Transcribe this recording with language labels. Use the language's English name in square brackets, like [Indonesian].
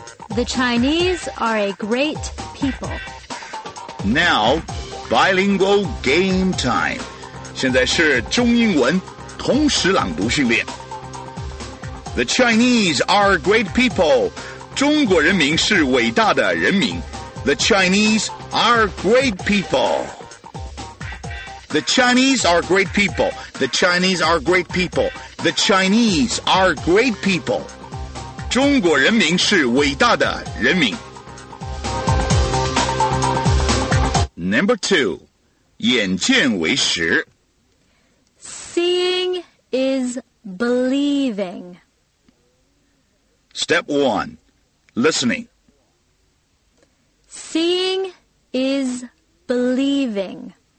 [English] The Chinese are a great people. Now, bilingual game time. [Chinese] 现在是中英文同时朗读训练。 [English] The Chinese are great people. [Chinese] 中国人民是伟大的人民。 [English] The Chinese are great people. The Chinese are great people. The Chinese are great people. The Chinese are great people. [Chinese] 中国人民是伟大的人民。 [English] Number two, [Chinese] 眼见为实。 [English] Seeing is believing. Step one, listening. Seeing is believing.